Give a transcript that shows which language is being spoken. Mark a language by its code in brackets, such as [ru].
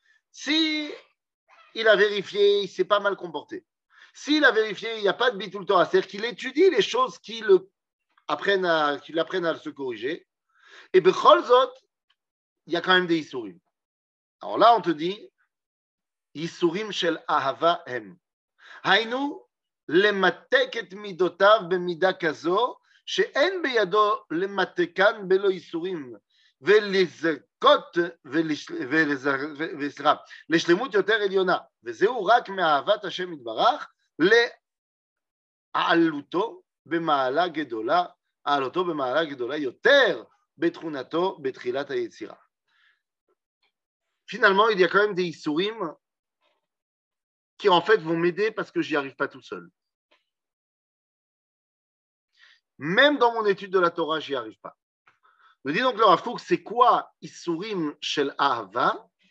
[fr] Si il a vérifié, il ne s'est pas mal comporté. S'il a vérifié, il n'y a pas de bitul Torah, c'est-à-dire qu'il étudie les choses qui l'apprennent à se corriger. Et [he] bechol zot, [fr] il y a quand même des issourim. Alors là, on te dit [he] issourim shel ahava hen. Haynu למתק את מידותיו במידה כזו שאין בידו למתקן בלא איסורים ולזכות לשלמות יותר עליונה וזהו רק מאהבת השם יתברך לעלותו במעלה גדולה עלותו במעלה גדולה יותר בתכונתו בתחילת היצירה. [fr] Finalement, il y a quand même des issourim qui en fait vont m'aider parce que j'y arrive pas tout seul. Même dans mon étude de la Torah, j'y arrive pas. Me dis donc, le Rav Kook, c'est quoi [he] Issourim shel Ahava?